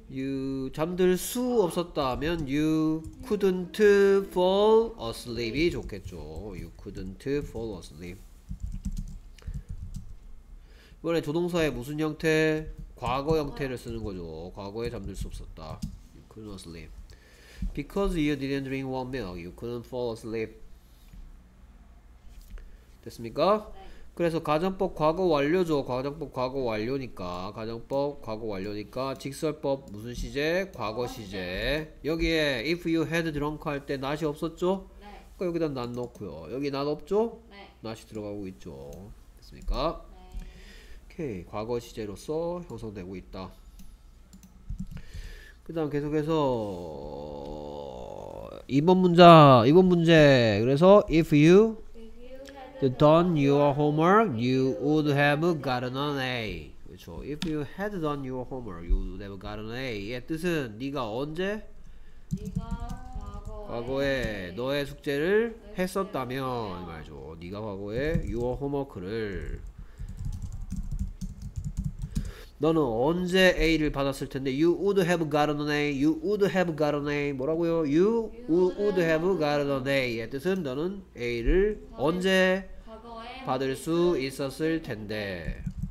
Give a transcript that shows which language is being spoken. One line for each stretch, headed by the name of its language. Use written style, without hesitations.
English: You
Korean: 잠들 수 없었다면
English: you couldn't fall asleep
Korean: 이 좋겠죠.
English: You couldn't fall asleep.
Korean: 이번에 조동사의 무슨 형태? 과거 형태를 쓰는 거죠. 과거에 잠들 수 없었다.
English: You couldn't sleep. Because you didn't drink warm milk, you couldn't fall asleep.
Korean: 됐습니까? 그래서 가정법 과거 완료죠. 가정법 과거 완료니까 직설법 무슨 시제? 과거 시제. 여기에
English: if you had drunk
Korean: 할 때 not이 없었죠? 네. 그러니까 여기다 not 넣고요. 여기 not 없죠? 네. not이 들어가고 있죠. 됐습니까? 네. 오케이. 과거 시제로서 형성되고 있다. 그 다음 계속해서 이번 문제 그래서
English: if you done your homework, you would have gotten an A.
Korean: 그렇죠.
English: If you had done your homework, you would have gotten an A.
Korean: 예, 뜻은 네가 언제? 네가 과거에 과거에 너의 숙제를 했었다면 말이죠. 네가 과거에
English: your homework
Korean: 를 너는 언제 A를 받았을 텐데
English: you would have gotten an A. You would have gotten an A.
Korean: 뭐라고요?
English: You would have gotten an A
Korean: 의 뜻은 너는 A를 언제 받을 수 있었을 텐데.